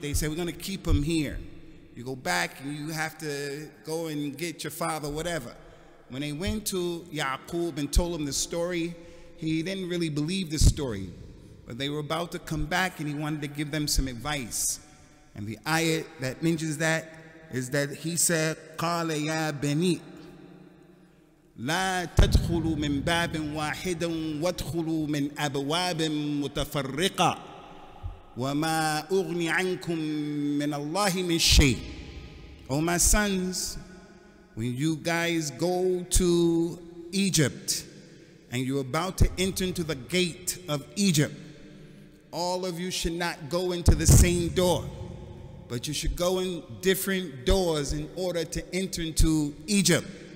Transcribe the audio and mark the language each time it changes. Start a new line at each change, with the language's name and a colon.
English: They said, we're going to keep him here. You go back and you have to go and get your father, whatever. When they went to Yaqub and told him the story, he didn't really believe the story. But they were about to come back and he wanted to give them some advice. And the ayat that mentions that is that he said,
Arabic: قَالَ يَا بَنِي لَا تَدْخُلُوا مِنْ بَابٍ وَاحِدًا وَادْخُلُوا مِنْ أَبْوَابٍ مُتَفَرِّقًا وَمَا أُغْنِي عَنْكُمْ مِنَ اللَّهِ مِنْ شَيْءٍ.
English: Oh my sons, when you guys go to Egypt and you're about to enter into the gate of Egypt, all of you should not go into the same door, but you should go in different doors in order to enter into Egypt.